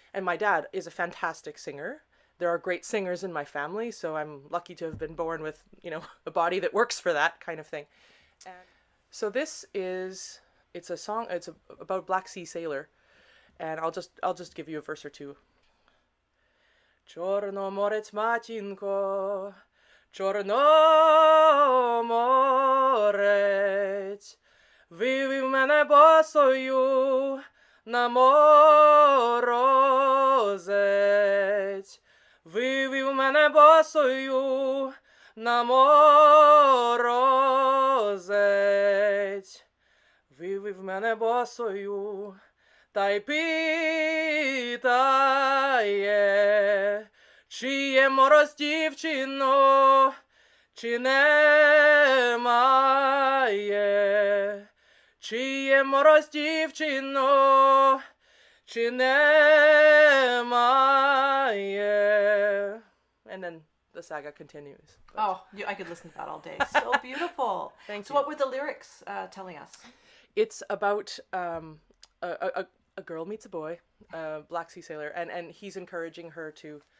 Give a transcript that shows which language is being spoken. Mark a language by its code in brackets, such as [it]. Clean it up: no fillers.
[en] And my dad is a fantastic singer. There are great singers in my family. So I'm lucky to have been born with, you know, a body that works for that kind of thing. So this is, it's a song, it's about Black Sea Sailor. And I'll just give you a verse or two. [uk] Чорноморець, матінко, Чорноморець, вивів мене босою на морозець, вивів мене босою на морозець, вивів мене босою, та й питає. Чи є мороз, дівчино, чи немає? Чи є мороз, дівчино, чи немає? [en] And then the saga continues. But... Oh, I could listen to that all day. So beautiful. Thank you. So what were the lyrics telling us? It's about a girl meets a boy, a Black Sea Sailor, and he's encouraging her to...